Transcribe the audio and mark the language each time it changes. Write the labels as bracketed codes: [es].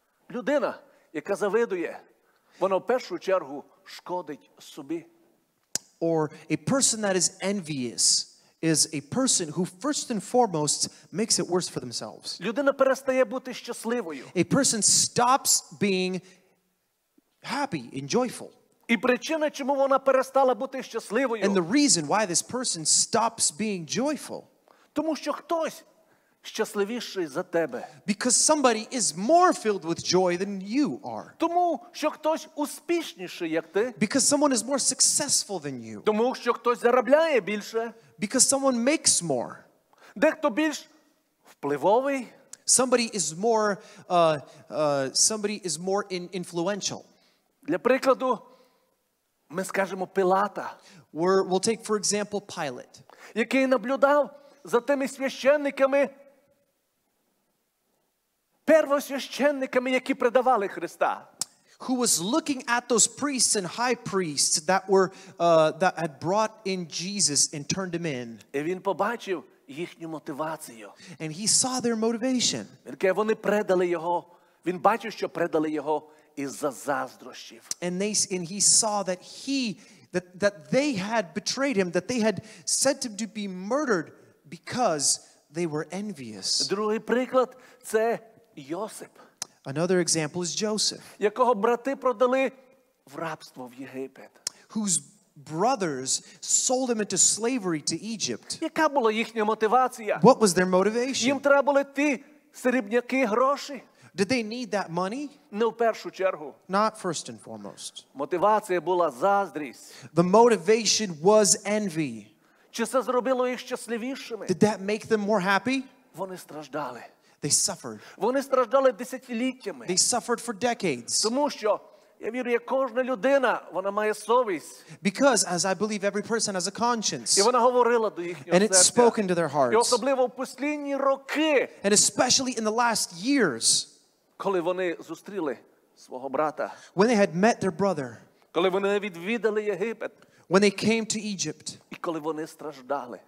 [uk] Людина, яка завидує, вона в першу чергу шкодить собі. [en] Or a person that is envious is a person who first and foremost makes it worse for themselves. [uk] Людина перестає бути щасливою. [en] A person stops being happy and joyful. [uk] І причина, чому вона перестала бути щасливою. [en] And the reason why this person stops being joyful. [uk] Тому що хтось щасливіший за тебе. [en] Because somebody is more filled with joy than you are. [uk] Тому що хтось успішніший, як ти. [en] Because someone is more successful than you. [uk] Тому що хтось заробляє більше. [en] Because someone makes more. [uk] Дехто більш впливовий. [en] Somebody is more influential. [uk] Для прикладу, ми скажемо Пілата. [en] We'll take, for example, Pilate. [uk] Який наблюдав за тими священниками, первосвященниками, які предавали Христа. [en] Who was looking at those priests and high priests that had brought in Jesus and turned him in. [uk] І він побачив їхню мотивацію. [en] And he saw their motivation. [uk] Яке вони предали його. Він бачив, що предали його із-за заздрощів. [en] And he saw that they had betrayed him, that they had sent him to be murdered because they were envious. [uk] Другий приклад – це Йосип. [en] Another example is Joseph. [uk] Якого брати продали в рабство в Єгипет. [en] Whose brothers sold him into slavery to Egypt. [uk] Яка була їхня мотивація? [en] What was their motivation? [uk] Їм треба були ті срібняки гроші. [en] Did they need that money? [uk] Не в першу чергу. [en] Not first and foremost. [uk] Мотивація була заздрість. [en] The motivation was envy. [uk] Чи це зробило їх щасливішими? [en] Did that make them more happy? [uk] Вони страждали. [en] They suffered. [uk] Вони страждали десятиліттями. [en] They suffered for decades. [uk] Тому що, я вірю, як кожна людина, вона має совість. [en] Because, as I believe, every person has a conscience. [uk] І вона говорила до їхнього серця. [en] And it's spoken to their hearts. [uk] І особливо в останні роки. [en] And especially in the last years. [uk] Коли вони зустріли свого брата. [en] When they had met their brother. [uk] Коли вони відвідали Єгипет. [en] When they came to Egypt. [uk] І коли вони страждали.